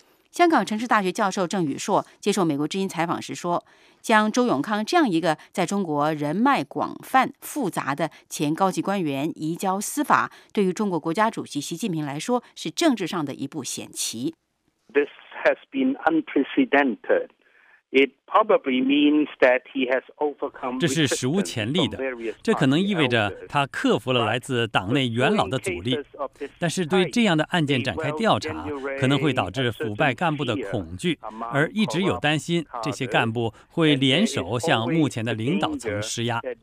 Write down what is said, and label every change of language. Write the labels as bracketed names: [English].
[Chinese] 香港城市大学教授郑宇硕接受美国之音采访时说，将周永康这样一个在中国人脉广泛复杂的前高级官员移交司法，对于中国国家主席习近平来说是政治上的一步险棋。 [English] This has been unprecedented. It probably means that he has overcome. [Chinese] 这是史无前例的，这可能意味着他克服了来自党内元老的阻力。但是对这样的案件展开调查，可能会导致腐败干部的恐惧，而一直有担心这些干部会联手向目前的领导层施压。